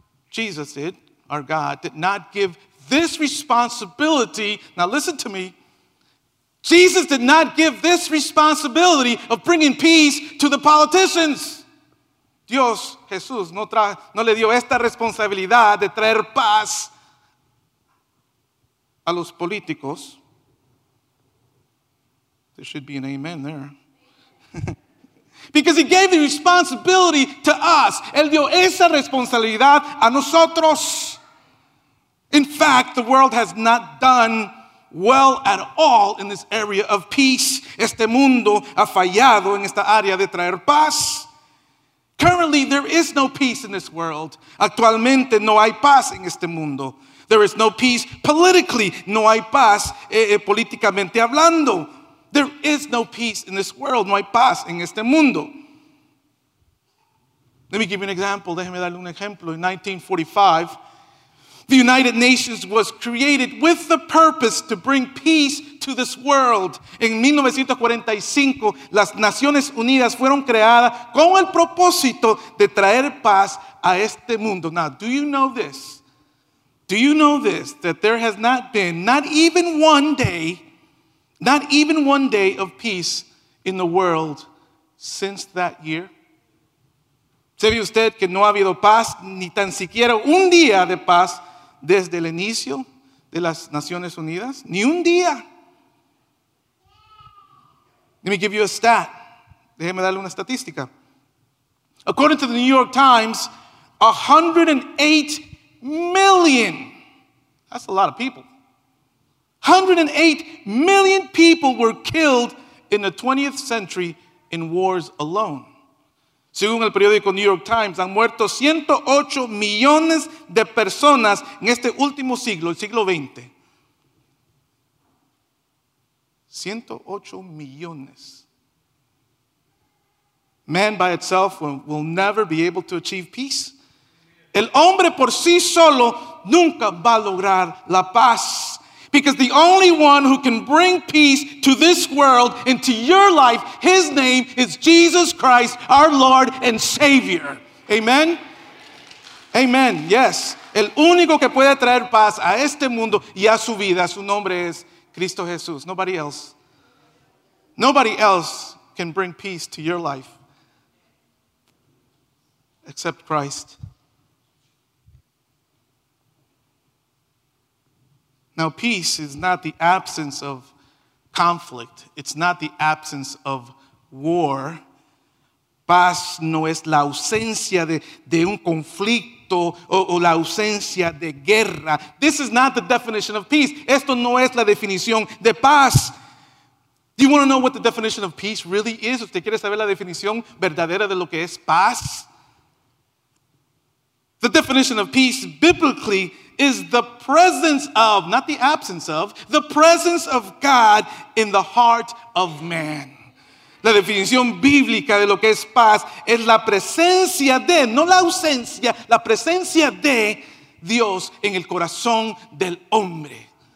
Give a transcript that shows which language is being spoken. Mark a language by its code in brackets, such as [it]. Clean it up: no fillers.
[en] Jesus, our God, did not give this responsibility. Now listen to me. Jesus did not give this responsibility of bringing peace to the politicians. [es] Dios, Jesús, no le dio esta responsabilidad de traer paz a los políticos. [en] There should be an amen there. Because he gave the responsibility to us. [es] Él dio esa responsabilidad a nosotros. [en] In fact, the world has not done well at all in this area of peace. [es] Este mundo ha fallado en esta área de traer paz. [en] Currently, there is no peace in this world. [es] Actualmente, no hay paz en este mundo. [en] There is no peace politically. [es] No hay paz políticamente hablando. [en] There is no peace in this world. [es] No hay paz en este mundo. [en] Let me give you an example. [es] Déjeme darle un ejemplo. [en] In 1945, the United Nations was created with the purpose to bring peace to this world. [es] En 1945, las Naciones Unidas fueron creadas con el propósito de traer paz a este mundo. [en] Now, do you know this? Do you know this, that there has not been, not even one day of peace in the world since that year? [es] ¿Sabe usted que no ha habido paz, ni tan siquiera un día de paz desde el inicio de las Naciones Unidas? Ni un día. [en] Let me give you a stat. [es] Déjeme darle una estadística. [en] According to the New York Times, 108 million. That's a lot of people. 108 million people were killed in the 20th century in wars alone. [es] Según el periódico New York Times, han muerto 108 millones de personas en este último siglo, el siglo XX. 108 millones. [en] Man by itself will never be able to achieve peace. [es] El hombre por sí solo nunca va a lograr la paz. [en] Because the only one who can bring peace to this world and to your life, his name is Jesus Christ, our Lord and Savior. Amen? Amen, yes. [es] El único que puede traer paz a este mundo y a su vida, su nombre es Cristo Jesús. [en] Nobody else. Nobody else can bring peace to your life except Christ. Now, peace is not the absence of conflict. It's not the absence of war. [es] Paz no es la ausencia de un conflicto o la ausencia de guerra. [en] This is not the definition of peace. [es] Esto no es la definición de paz. [en] Do you want to know what the definition of peace really is? [es] ¿Usted quiere saber la definición verdadera de lo que es paz? [en] The definition of peace, biblically, is the presence of, not the absence of, the presence of God in the heart of man. [es] La definición bíblica de lo que es paz es la presencia de, no la ausencia, la presencia de Dios en el corazón del hombre.